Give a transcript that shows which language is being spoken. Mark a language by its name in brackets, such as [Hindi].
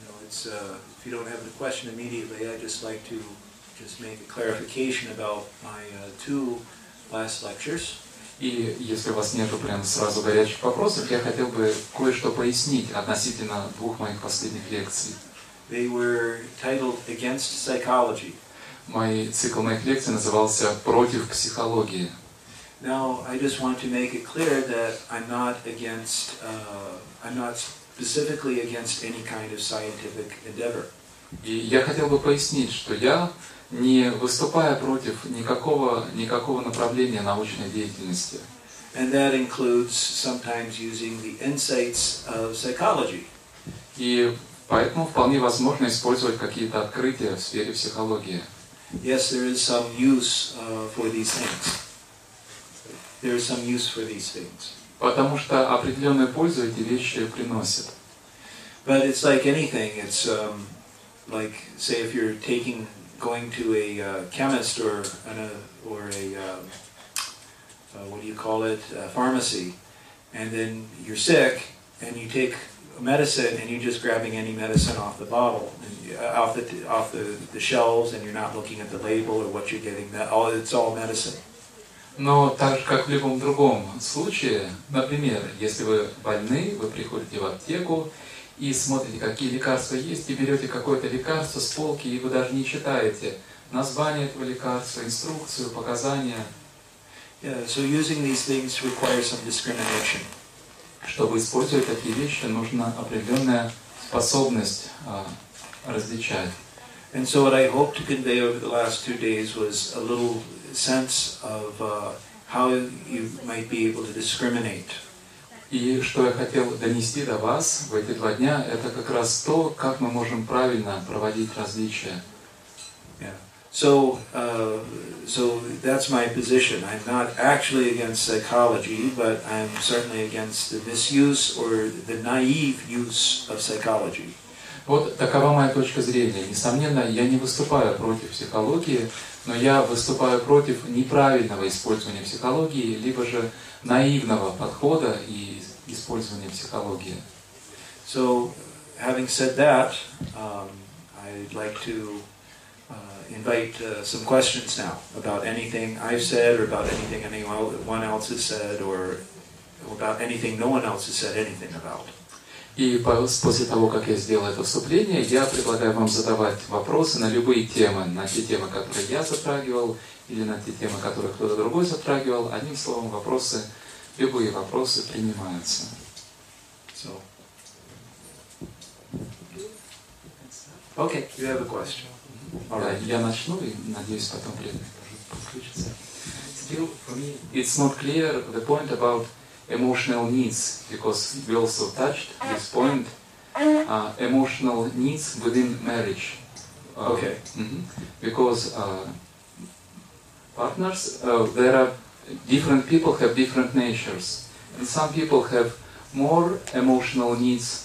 [English] If you don't have the question immediately, I'd just like to just make a clarification about my two last lectures. [Russian] И если у вас нету прям сразу горячих вопросов, я хотел бы кое-что пояснить относительно двух моих последних лекций. [English] They were titled Against Psychology. [Russian] Мой цикл моих лекций назывался «Против психологии». [English] Now, I just want to make it clear that I'm not against, I'm not specifically against any kind of scientific endeavor. [Russian] И я хотел бы пояснить, что я не выступаю против никакого направления научной деятельности. [English] And that includes sometimes using the insights of psychology. [Russian] И поэтому вполне возможно использовать какие-то открытия в сфере психологии. [English] Yes, there is some use for these things. There is some use for these things. [Russian] Потому что определенную пользу эти вещи приносят. [English] But it's like anything. It's like, say, if you're taking, going to a chemist or a pharmacy, and then you're sick, and you take medicine, and you're just grabbing any medicine off the bottle, and off the shelves, and you're not looking at the label or what you're getting. It's all medicine. [Russian] Но так же, как в любом другом случае, например, если вы больны, вы приходите в аптеку и смотрите, какие лекарства есть, и берете какое-то лекарство с полки, и вы даже не читаете название этого лекарства, инструкцию, показания. [English] Yeah, so using these things requires some discrimination. [Russian] Чтобы использовать такие вещи, нужна определенная способность различать. [English] And so what I hope to convey over the last two days was a little sense of how you might be able to discriminate. [Russian] И что я хотел донести до вас в эти два дня, это как раз то, как мы можем правильно проводить различия. [English] So that's my position. I'm not actually against psychology, but I'm certainly against the misuse or the naive use of psychology. [Russian] Вот такова моя точка зрения. Несомненно, я не выступаю против психологии, но я выступаю против неправильного использования психологии, либо же наивного подхода и использования психологии. [English] So, having said that, I'd like to invite some questions now about anything I've said or about anything anyone else has said or about anything no one else has said anything about. [Russian] И после того, как я сделал это вступление, я предлагаю вам задавать вопросы на любые темы, на те темы, которые я затрагивал, или на те темы, которые кто-то другой затрагивал. Одним словом, вопросы любые вопросы принимаются. [English] So. Okay, you have a question. All right. [Russian] Я начну и надеюсь потом время подключится. [English] Still, for me, it's not clear the point about emotional needs, because we also touched this point, emotional needs within marriage. Okay. Because partners, there are different people have different natures, and some people have more emotional needs.